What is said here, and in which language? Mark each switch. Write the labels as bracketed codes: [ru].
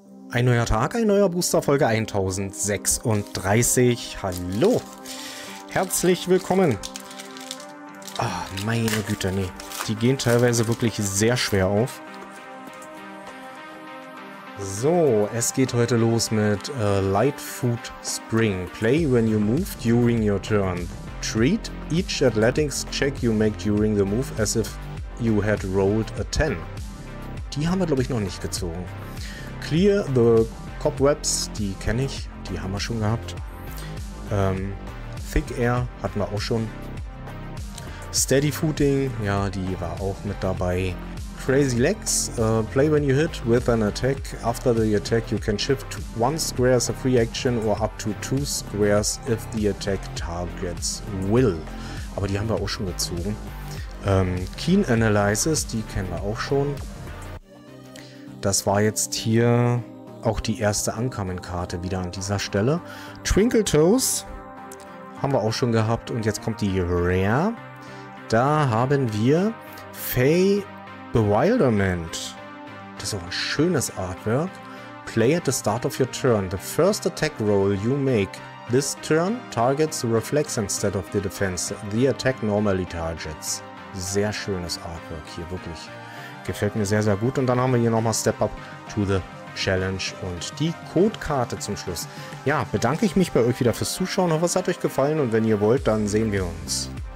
[de] Ein neuer Tag, ein neuer Booster, Folge 1036. Hallo. Herzlich willkommen. Ah, meine Güte, nee. Die gehen teilweise wirklich sehr schwer auf. So, es geht heute los mit Lightfoot Spring. [en] Play when you move during your turn. Treat each athletics check you make during the move as if you had rolled a 10. [de] Die haben wir, glaube ich, noch nicht gezogen. Clear the Cobwebs, die kenne ich, die haben wir schon gehabt. Thick Air hatten wir auch schon. Steady Footing, ja, die war auch mit dabei. [en] Crazy Legs, play when you hit with an attack. After the attack you can shift one square as a free action or up to two squares if the attack targets will. [de] Aber die haben wir auch schon gezogen. Keen Analysis, die kennen wir auch schon. Das war jetzt hier auch die erste Ankommenkarte wieder an dieser Stelle. Twinkle Toes haben wir auch schon gehabt. Und jetzt kommt die Rare. Da haben wir Fey Bewilderment. Das ist auch ein schönes Artwork. [en] Play at the start of your turn. The first attack roll you make this turn targets the reflex instead of the defense. The attack normally targets. [de] Sehr schönes Artwork hier, wirklich. Gefällt mir sehr, sehr gut. Und dann haben wir hier nochmal Step Up to the Challenge und die Codekarte zum Schluss. Ja, bedanke ich mich bei euch wieder fürs Zuschauen. Ich hoffe, es hat euch gefallen und wenn ihr wollt, dann sehen wir uns.